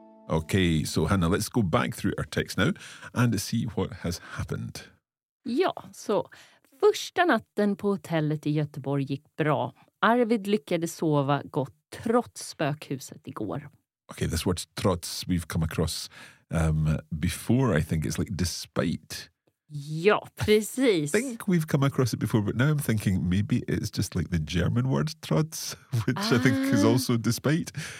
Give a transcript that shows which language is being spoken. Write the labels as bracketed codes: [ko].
[en] Okay, so Hannah, let's go back through our text now and see what has happened. [sv] Ja, så första natten på hotellet i Göteborg gick bra. Arvid lyckades sova gott trots spökhuset igår. [en] Okay, this word trots we've come across before, I think. It's like despite. [sv] Ja, precis. [en] I think we've come across it before, but now I'm thinking maybe it's just like the German word trots, which I think is also despite.